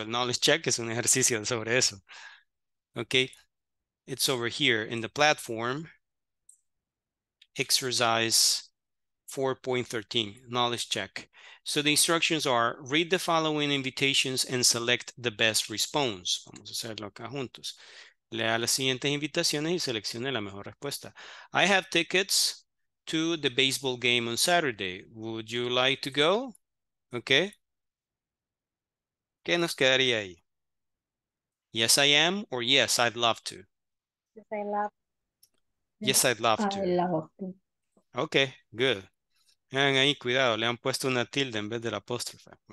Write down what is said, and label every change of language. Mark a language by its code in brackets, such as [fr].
[es] El knowledge check es un ejercicio sobre eso. Okay. [en] It's over here in the platform, exercise 4.13, knowledge check. So the instructions are, read the following invitations and select the best response. [es] Vamos a hacerlo acá juntos. Lea las siguientes invitaciones y seleccione la mejor respuesta. [en] I have tickets to the baseball game on Saturday. Would you like to go? Okay. [es] ¿Qué nos quedaría ahí? [en] Yes, I am, or yes, I'd love to. Yes, I'd love to. Okay, good. And [es] ahí, cuidado, le han puesto una tilde en vez de la apóstrofe.